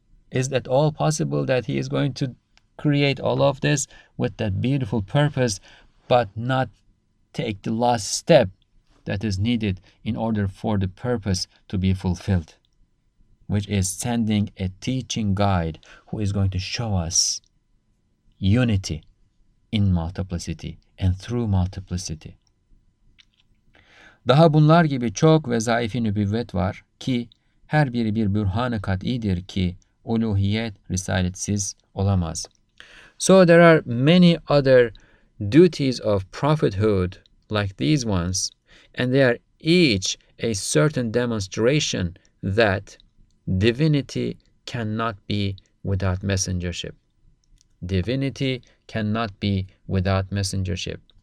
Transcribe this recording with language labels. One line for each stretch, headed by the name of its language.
English: Is it at all possible that he is going to create all of this with that beautiful purpose, but not take the last step that is needed in order for the purpose to be fulfilled, which is sending a teaching guide who is going to show us unity in multiplicity and through multiplicity?
Turkish: Daha bunlar gibi çok vezaifi nübüvvet var ki her biri bir bürhan-ı kat'idir ki uluhiyet risaletsiz olamaz.
English: So there are many other duties of prophethood like these ones, and they are each a certain demonstration that divinity cannot be without messengership. Divinity cannot be without messengership.